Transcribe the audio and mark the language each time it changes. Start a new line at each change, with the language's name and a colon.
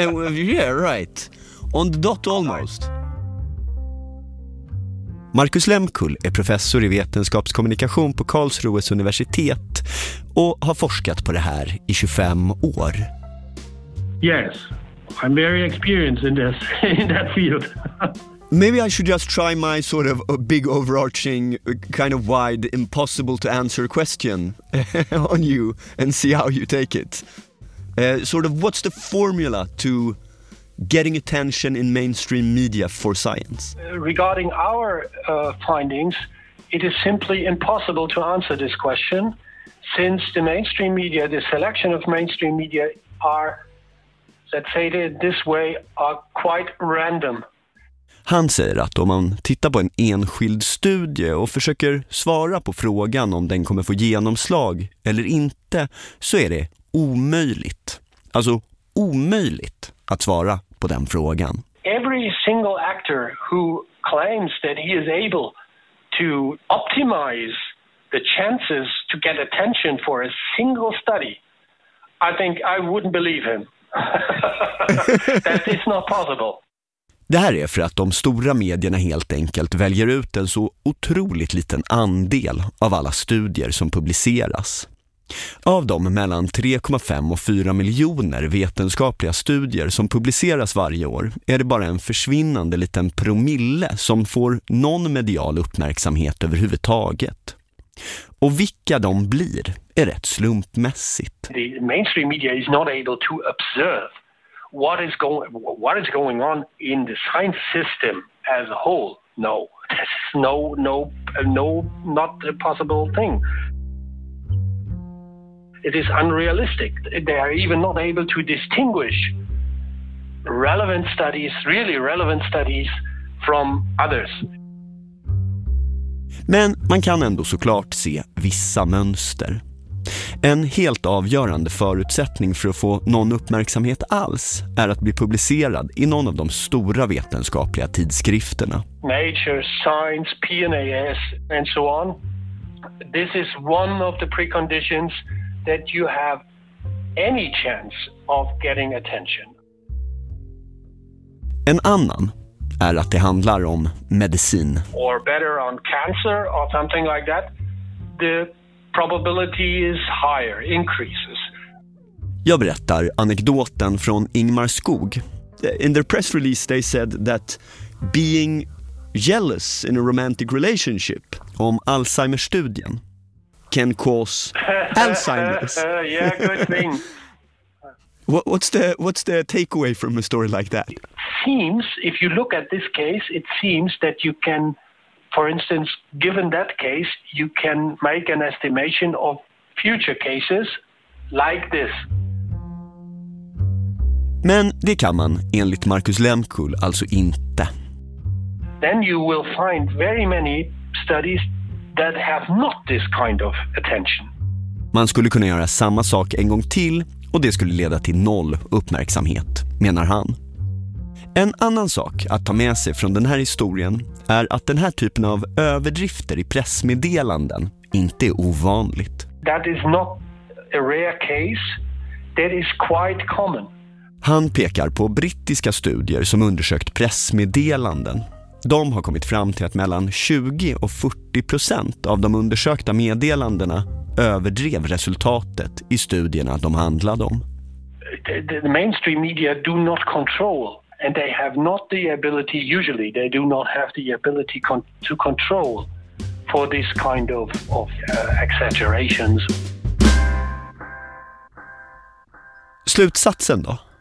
English: Yeah, right. On the dot almost.
Swedish: Marcus Lehmkuhl är professor i vetenskapskommunikation på Karlsruhes universitet och har forskat på det här i 25 år.
English: Yes, I'm very experienced in that field. Maybe I should just try my sort of a big overarching, kind of wide, impossible to answer question on you and see how you take it. Sort of what's the formula to getting attention in mainstream media for science? Regarding our findings, it is simply impossible to answer this question, since the mainstream media, the selection of mainstream media are, let's say it this way, are quite random.
Swedish: Han säger att om man tittar på en enskild studie och försöker svara på frågan om den kommer få genomslag eller inte, så är det omöjligt. Alltså omöjligt att svara på den frågan.
English: Every single actor who claims that he is able to optimize the chances to get attention for a single study, I think I wouldn't believe him. That is not possible.
Swedish: Det här är för att de stora medierna helt enkelt väljer ut en så otroligt liten andel av alla studier som publiceras. Av de mellan 3,5 och 4 miljoner vetenskapliga studier som publiceras varje år är det bara en försvinnande liten promille som får någon medial uppmärksamhet överhuvudtaget. Och vilka de blir är rätt slumpmässigt.
English: The mainstream media is not able to observe what is going on in the science system as a whole. No, that's not a possible thing. It is unrealistic. They are even not able to distinguish relevant studies, really relevant studies, from others.
Swedish: Men man kan ändå såklart se vissa mönster. En helt avgörande förutsättning för att få någon uppmärksamhet alls är att bli publicerad i någon av de stora vetenskapliga tidskrifterna.
English: Nature, Science, PNAS and so on. This is one of the preconditions that you have any chance of getting attention.
Swedish: En annan är att det handlar om medicin.
English: Or better on cancer or something like that. The probability is higher, increases.
Swedish: Jag berättar anekdoten från Ingmar Skog.
English: In their press release they said that being jealous in a romantic relationship
Swedish: om Alzheimer-studien
English: can cause Alzheimer's. Yeah, good thing. What's the takeaway from a story like that? It seems, if you look at this case, it seems that you can, for instance, given that case, you can make an estimation of future cases like this.
Swedish: Men det kan man, enligt Marcus Lemkul, alltså inte.
English: Then you will find very many studies that have not this kind of attention.
Swedish: Man skulle kunna göra samma sak en gång till, och det skulle leda till noll uppmärksamhet, menar han. En annan sak att ta med sig från den här historien är att den här typen av överdrifter i pressmeddelanden inte är ovanligt.
English: That is not a rare case. That is quite common.
Swedish: Han pekar på brittiska studier som undersökt pressmeddelanden. De har kommit fram till att mellan 20% och 40% av de undersökta meddelandena överdrev resultatet i studierna de handlade om.
English: The mainstream media do not control, and they have not the ability, usually they do not have the ability to control for this kind of exaggerations.
Swedish: Slutsatsen då?